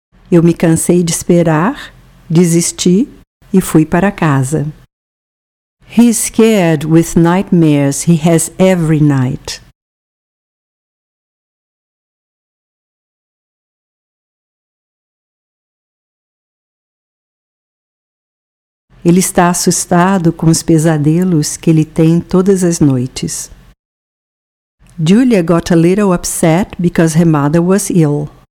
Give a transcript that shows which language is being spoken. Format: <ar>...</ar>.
<pt>Eu me cansei de esperar, desisti e fui para casa.</pt> <en>He is scared with nightmares he has every night.</en> <pt>Ele está assustado com os pesadelos que ele tem todas as noites.</pt> <en>Julia got a little upset because her mother was ill.</en>